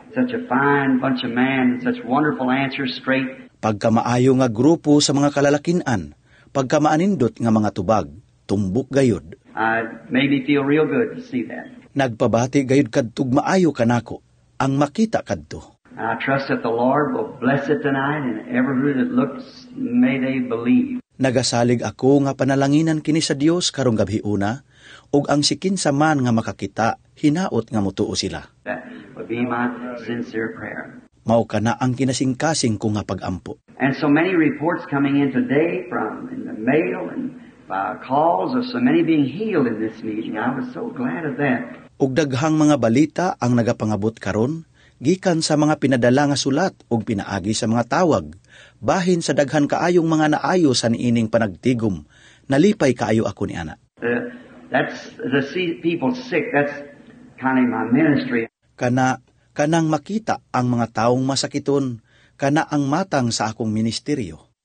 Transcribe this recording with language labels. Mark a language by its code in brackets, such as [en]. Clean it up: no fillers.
[en] Such a fine bunch of men, such wonderful answers, straight. [ceb] Pagkamaayo nga grupo sa mga kalalakinan, pagkamaanindot nga mga tubag, tumbok gayud. [en] Made me feel real good to see that. [ceb] Nagpabati gayud kadtog maayo kanako, ang makita kadto. [en] I trust that the Lord will bless it tonight and everyone that looks, may they believe. [ceb] Nagasalig ako nga panalanginan kini sa Dios karong gabi una, ug ang si kinsa man nga makakita hinaot nga mutuo sila. [en] That would be my sincere prayer. [ceb] Mao kana ang kinasingkasing ko nga pag-ampo. [en] And so many reports coming in today from in the mail and by calls of so many being healed in this meeting. I was so glad of that. [ceb] Ug daghang mga balita ang nagapangabot karon gikan sa mga pinadala nga sulat ug pinaagi sa mga tawag bahin sa daghan kaayong mga naayo sa niining panagtigum. Nalipay kaayo ako ni ana. [en] That's the people sick. That's kind of my ministry. [ceb] Kanang makita ang mga taong masakiton, kana ang matang sa akong ministeryo.